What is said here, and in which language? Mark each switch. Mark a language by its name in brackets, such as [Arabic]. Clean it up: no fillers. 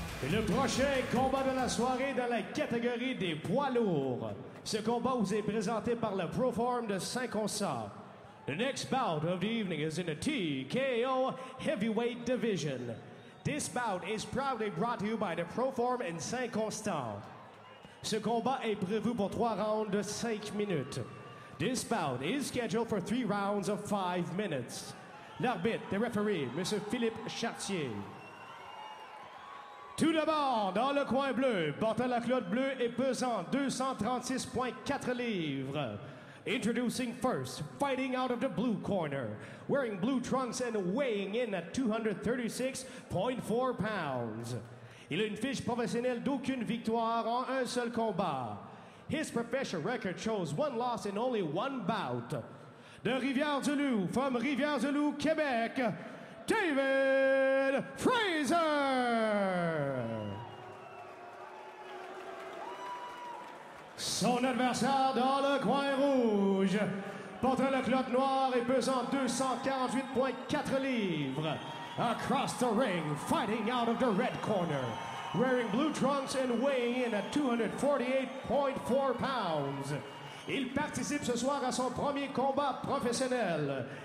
[French] Le prochain combat de la soirée dans la catégorie des poids lourds. Ce combat vous est présenté par le Proform de Saint-Consat. [English] The next bout of the evening is in the TKO Heavyweight Division. This bout is proudly brought to you by the Proform and Saint-Constant. [French] Ce combat est prévu pour 3 rounds de 5 minutes. [English] This bout is scheduled for 3 rounds of 5 minutes. [French] L'arbitre, le referee, M. Philippe Chartier. Tout d'abord, dans le coin bleu, portant la culotte bleue et pesant 236,4 livres. [English] Introducing first, fighting out of the blue corner, wearing blue trunks and weighing in at 236.4 pounds. [French] Il a une fiche professionnelle d'aucune victoire en un seul combat. [English] His professional record shows 1 loss in only 1 bout. [French] De Rivière-du-Loup, [English] from Rivière-du-Loup, Québec, [French] David Fraser! Son adversaire dans le coin rouge, portant la culotte noire et pesant 248,4 livres. [English] Across the ring, fighting out of the red corner, wearing blue trunks and weighing in at 248.4 pounds. [French] Il participe ce soir à son premier combat professionnel.